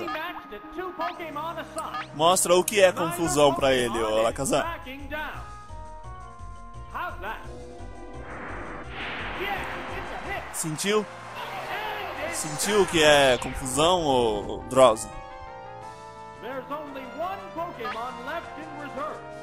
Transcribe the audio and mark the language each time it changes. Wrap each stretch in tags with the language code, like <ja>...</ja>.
<en>We're evenly matched at two Pokémon aside.</en> <pt>Mostra o que é confusão para ele, o Alakazam.</pt> <en>How's that? Yeah, it's a hit.</en> <pt>Sentiu? Sentiu o que é confusão, ô Drowsy?</pt> <en>There's only one Pokémon left in reserve.</en>